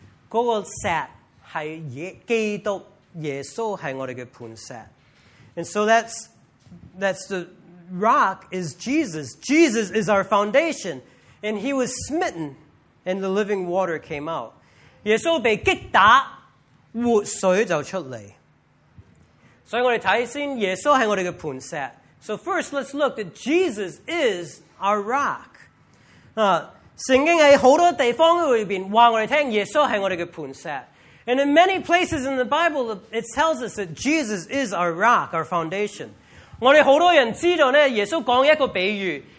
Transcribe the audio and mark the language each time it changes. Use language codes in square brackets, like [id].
[yue] 嗰个石系基督，耶稣系我哋嘅磐石。 [en] And so that's the rock is Jesus. Jesus is our foundation. And he was smitten, and the living water came out. [yue] 耶稣被击打。活水就出嚟，所以我哋睇先，耶稣系我哋嘅磐石。 [en] So first, let's look that Jesus is our rock. [yue] 圣经喺好多地方里边话我哋听，耶稣系我哋嘅磐石。 [en] And in many places in the Bible, it tells us that Jesus is our rock, our foundation. [yue] 我哋好多人知道咧，耶稣讲一个比喻